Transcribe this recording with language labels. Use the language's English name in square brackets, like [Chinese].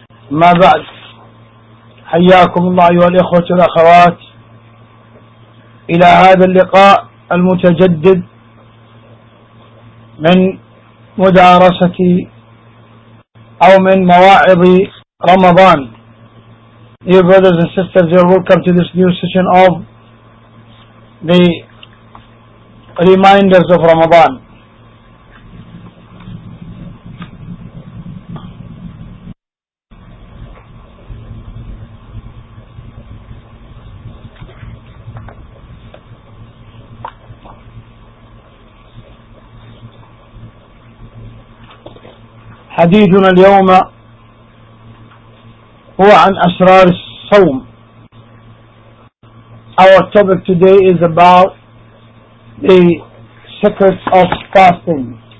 [Arabic] ما بعد، حياكم الله أيها الإخوة والأخوات إلى هذا اللقاء المتجدد من مدارسة أو من مواعظ رمضان. [English] Dear brothers and sisters, you are welcome to this new session of the reminders of Ramadan. [Arabic] حديثنا اليوم هو عن أسرار الصوم. [English] Our topic today is about the secrets of fasting.